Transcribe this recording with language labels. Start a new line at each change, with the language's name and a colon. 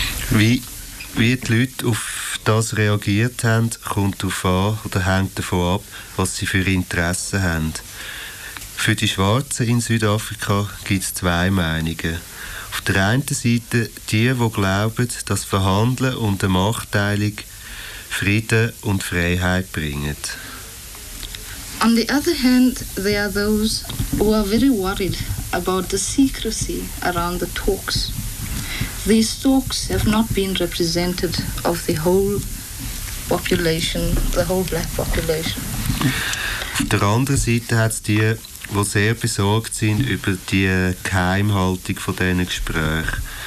German: wie die Leute auf das reagiert haben, kommt darauf an oder hängt davon ab, was sie für Interessen haben. Für die Schwarzen in Südafrika gibt es zwei Meinungen. Auf der einen Seite die, die glauben, dass Verhandeln und die Machtteilung Frieden und Freiheit bringen.
English: On the other hand, there are those who are very worried about the secrecy around the talks. These talks have not been represented of the whole population, the whole black population.
German: Auf der anderen Seite hat es die, die sehr besorgt sind über die Geheimhaltung von diesen Gesprächen.